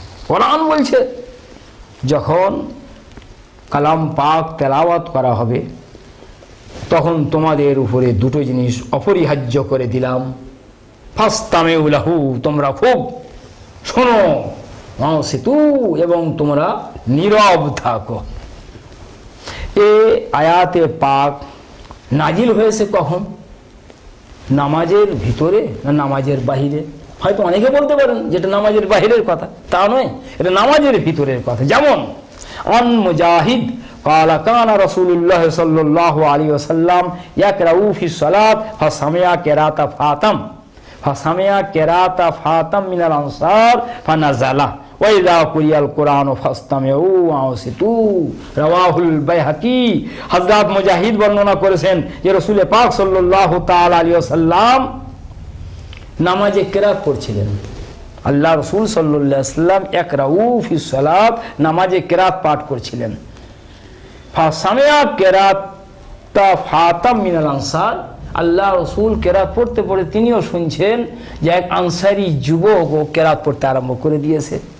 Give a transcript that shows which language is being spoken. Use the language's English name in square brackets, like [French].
[Bangla] কোরআন বলছে যখন কালাম পাক তেলাওয়াত করা হবে তখন তোমাদের উপরে দুটো জিনিস অপরিহার্য করে দিলাম, [Arabic] ফাস্তামে উলাহু [Bangla] তোমরা খুব শোনো সেতু এবং তোমরা নীরব থাকো। এ আয়াতে পাক নাজিল হয়েছে কখন? নামাজের ভিতরে না নামাজের বাহিরে? হয়তো অনেকে বলতে পারেন যেটা নামাজের বাহিরের কথা, তা নয়, এটা নামাজের ভিতরের কথা। [Arabic] যেমন عن مجاهد قال كان رسول الله صلى الله عليه وسلم يقرأ في الصلاة فسمع قراءة فاطم فسمع قراءة فاطم من الأنصار فنزل وإذا قرئ القرآن فاستمعوا وأنصتوا رواه البيهقي। [Bangla] حضرات مجاهد বর্ণনা করেছেন যে রাসূল পাক সাল্লাল্লাহু তাআলা আলাইহি ওয়াসাল্লাম নামাজে কিরাত করছিলেন, আল্লাহ রাসূল সাল্লাল্লাহু আলাইহি সাল্লাম [Arabic] ইকরাউ ফি সালাত [Bangla] নামাজে কিরাত পাঠ করছিলেন, [Arabic] ফা সামিয়া কিরাত তা ফাতাম মিনাল আনসার, [Bangla] আল্লাহ রাসূল কিরাত পড়তে পড়তে তিনিও শুনছেন যে এক আনসারী যুবক ও কিরাত পড়তে আরম্ভ করে দিয়েছে।